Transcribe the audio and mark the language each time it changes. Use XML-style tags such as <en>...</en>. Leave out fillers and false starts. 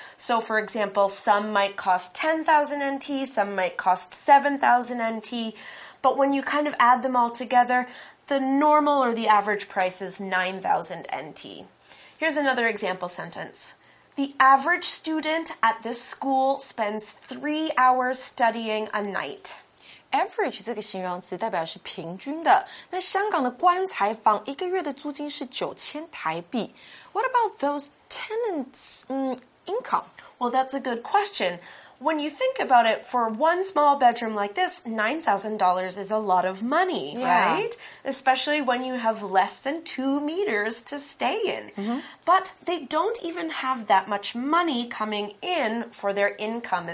<en>So, for example, some might cost 10,000 NT, some might cost 7,000 NT, but when you kind of add them all together... The normal or the average price is 9,000 NT. Here's another example sentence. The average student at this school spends 3 hours studying a night.</en> <zh>Average 这个形容词代表是平均的。那香港的棺材房一个月的租金是9000台币。</zh> <en>What about those tenants' income? Well, that's a good question. When you think about it, for one small bedroom like this, $9,000 is a lot of money, yeah. right? Especially when you have less than 2 meters to stay in. Mm-hmm. But they don't even have that much money coming in for their income.</en>